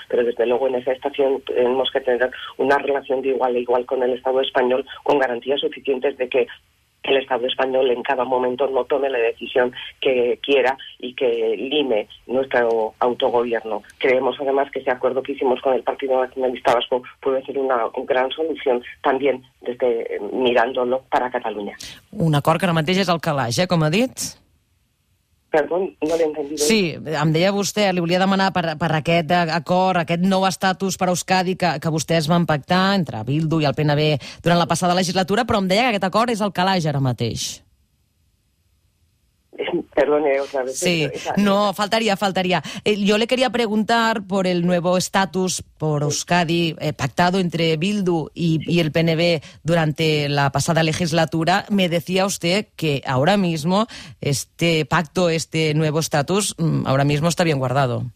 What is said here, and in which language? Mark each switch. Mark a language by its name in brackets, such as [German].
[Spanish] Pero desde luego en esa estación tenemos que tener una relación de igual a igual con el Estado español, con garantías suficientes de que el Estado español en cada momento no tome la decisión que quiera y que lime nuestro autogobierno. Creemos además que ese acuerdo que hicimos con el Partido Nacionalista Vasco puede ser una gran solución también desde mirándolo para Cataluña. [Catalan] Un acord que ara mateix és el calaix, com ha dit. Perdó, no l'he entendit. Sí, em deia vostè, li volia demanar per aquest acord, aquest nou estatus per a Euskadi que vostès van pactar entre Bildu i el PNB durant la passada legislatura, però em deia que aquest acord és el calaix ara mateix. [Spanish] Perdone, otra vez. Sí, no, faltaría. Yo le quería preguntar por el nuevo estatus por Euskadi pactado entre Bildu y el PNB durante la pasada legislatura. Me decía usted que ahora mismo este pacto, este nuevo estatus, ahora mismo está bien guardado.